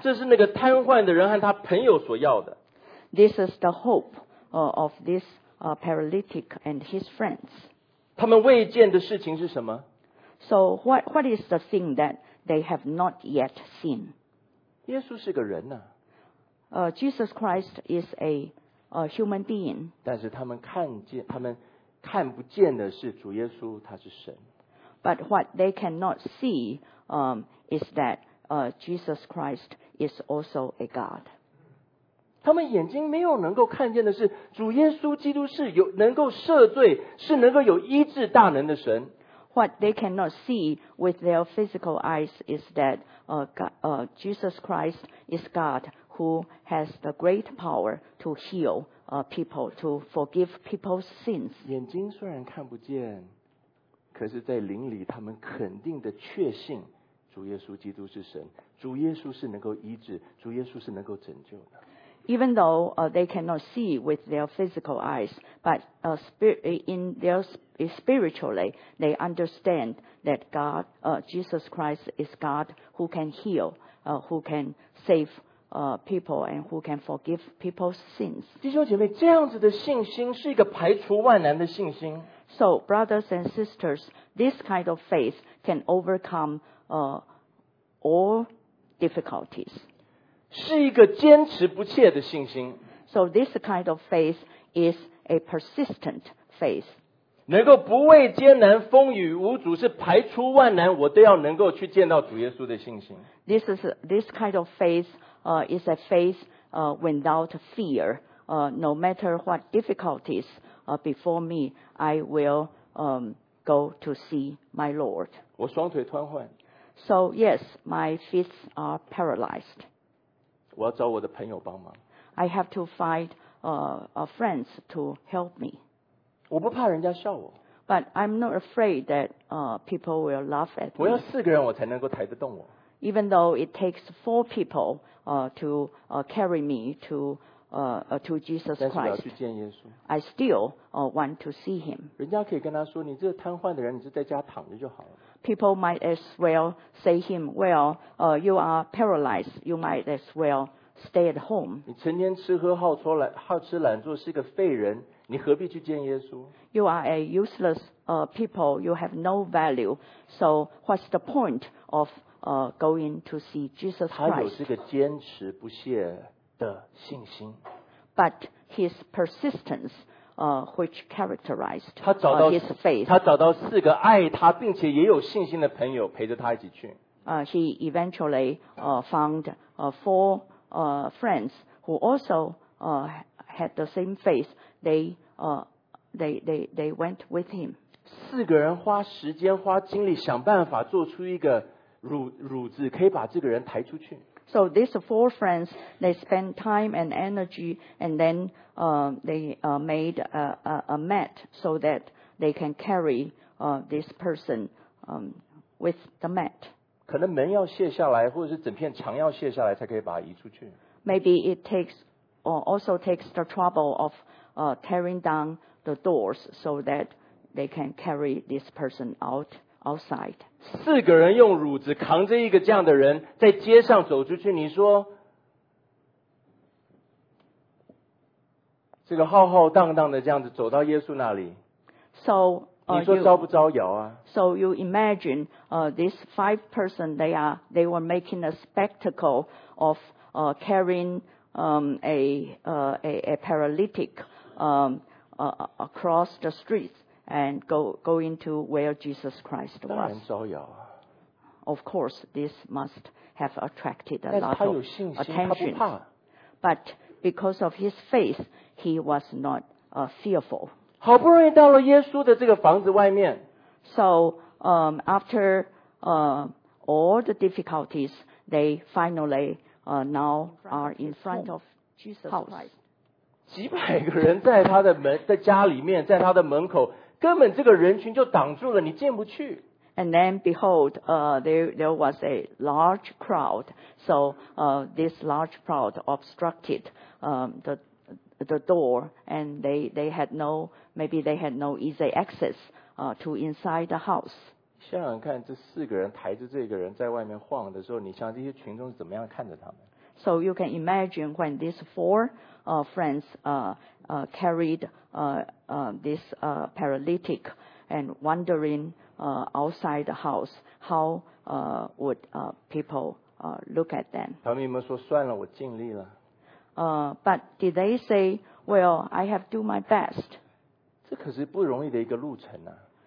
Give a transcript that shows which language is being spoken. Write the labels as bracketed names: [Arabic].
[Chinese] 这是那个瘫痪的人和他朋友所要的。 [English] This is the hope of this paralytic and his friends. [Chinese] 他们未见的事情是什么？ [English] So what is the thing that they have not yet seen? [Chinese] 耶稣是个人啊。 [English] Jesus Christ is a human being. [Chinese] 但是他们看见，他们看不见的是主耶稣，他是神。 [English] But what they cannot see is that Jesus Christ is also a God. [Chinese] 他们眼睛没有能够看见的是主耶稣基督是有能够赦罪，是能够有医治大能的神。 [English] What they cannot see with their physical eyes is that Jesus Christ is God who has the great power to heal people, to forgive people's sins. [Chinese] 眼睛虽然看不见，可是在灵里他们肯定的确信主耶稣基督是神，主耶稣是能够医治，主耶稣是能够拯救的。 [English] Even though they cannot see with their physical eyes, but spiritually, they understand that God, Jesus Christ is God who can heal, who can save people, and who can forgive people's sins. [Chinese] 弟兄姐妹，这样子的信心是一个排除万难的信心。 [English] So, brothers and sisters, this kind of faith can overcome all difficulties. [Chinese] 是一个坚持不懈的信心。 [English] So this kind of faith is a persistent faith. [Chinese] 能够不畏艰难风雨无阻，是排除万难我都要能够去见到主耶稣的信心。 [English] This kind of faith is a faith without fear. No matter what difficulties before me, I will go to see my Lord. [Chinese] 我双腿瘫痪。 [English] So yes, my feet are paralyzed. [Chinese] 我要找我的朋友帮忙。 [English] I have to find friends to help me. [Chinese] 我不怕人家笑我。 [English] But I'm not afraid that people will laugh at me. [Chinese] 我要四个人我才能够抬得动我。 [English] Even though it takes four people to carry me to Jesus Christ. [Chinese] 但是我要去见耶稣。 [English] I still want to see him. [Chinese] 人家可以跟他说，你这个瘫痪的人，你就在家躺着就好了。 [English] People might as well say him, well, you are paralyzed, you might as well stay at home. [Chinese] 你成天吃喝好吃懒做是个废人，你何必去见耶稣？ [English] You are a useless people, you have no value, so what's the point of going to see Jesus Christ? [Chinese] 他有这个坚持不懈的信心。 [English] But his persistenceWhich characterized his faith. [Chinese] 他找到四个爱他并且也有信心的朋友陪着他一起去。 [English] He eventually found four friends who also had the same faith. They went with him. [Chinese] 四个人花时间花精力想办法做出一个褥子，可以把这个人抬出去。 [English] So these four friends, they spent time and energy, and then they made a mat so that they can carry this person with the mat. [Chinese] 可能门要卸下来，或者是整片墙要卸下来，才可以把它移出去。 [English] Maybe it takes, or also takes the trouble of tearing down the doors so that they can carry this person out. Outside. [Chinese] 四个人用褥子扛着一个这样的人在街上走出去，你说这个浩浩荡荡的这样子走到耶稣那里， [English] so, [Chinese] 你说招不招摇啊？ [English] So you imagine these five person they were making a spectacle of carrying a paralytic across the streetsAnd go into where Jesus Christ was. [Chinese] 当然招摇啊。 [English] Of course, this must have attracted a lot of attention. [Chinese] 但是他有信心，他不怕。 [English] But because of his faith, he was not fearful. [Chinese] 好不容易到了耶稣的这个房子外面。 [English] So after all the difficulties, they finally now are in front of Jesus Christ. [Chinese] 几百个人在他的门，在家里面，在他的门口。根本这个人群就挡住了，你进不去。 [English] And then behold, there was a large crowd. So, this large crowd obstructed, the door, and they had no easy access, to inside the house. [Chinese] 想想看，这四个人抬着这个人在外面晃的时候，你想这些群众是怎么样看着他们？ [English] So you can imagine when these four, friends, carried, this, paralytic and wondering, outside the house, how, would, people, look at them? [Chinese] 他们有没有说算了，我尽力了？ [English] But did they say, well, I have do my best? [Chinese] 这可是不容易的一个路程啊。